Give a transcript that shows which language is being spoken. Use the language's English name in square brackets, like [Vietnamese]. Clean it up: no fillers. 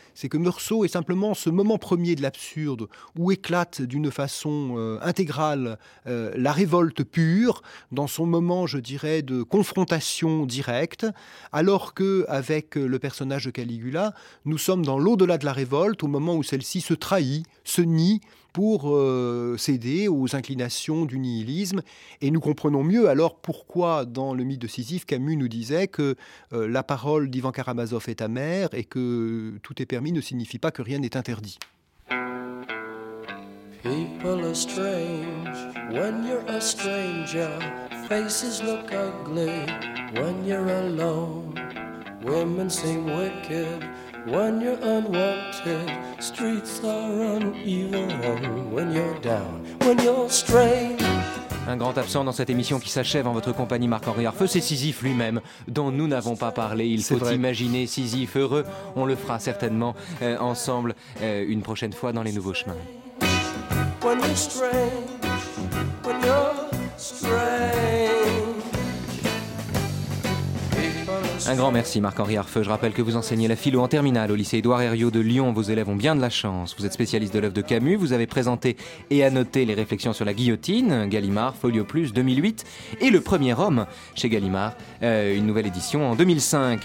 [French] C'est que Meursault est simplement ce moment premier de l'absurde, où éclate d'une façon intégrale la révolte pure, dans son moment, je dirais, de confrontation directe, alors que, avec le personnage de Caligula, nous sommes dans l'au-delà de la révolte, au moment où celle-ci se trahit, se nie, pour céder aux inclinations du nihilisme. Et nous comprenons mieux alors pourquoi, dans le mythe de Sisyphe, Camus nous disait que la parole d'Ivan Karamazov est amère et que tout est permis ne signifie pas que rien n'est interdit. Puis... [English] People are strange when you're a stranger. Faces look ugly when you're alone. Women seem wicked when you're unwanted. Streets are uneven when you're down, when you're strange. [French] Un grand absent dans cette émission qui s'achève en votre compagnie, Marc-Henri Harfeux, c'est Sisyphe lui-même, dont nous n'avons pas parlé. Imaginer Sisyphe heureux. On le fera certainement ensemble une prochaine fois dans Les Nouveaux Chemins. [English] When you're strange, when you're strange. [French] Un grand merci Marc-Henri Harfeux. Je rappelle que vous enseignez la philo en terminale au lycée Édouard Herriot de Lyon. Vos élèves ont bien de la chance. Vous êtes spécialiste de l'œuvre de Camus. Vous avez présenté et annoté les réflexions sur la guillotine, Gallimard, Folio Plus, 2008, et Le Premier Homme chez Gallimard, une nouvelle édition en 2005.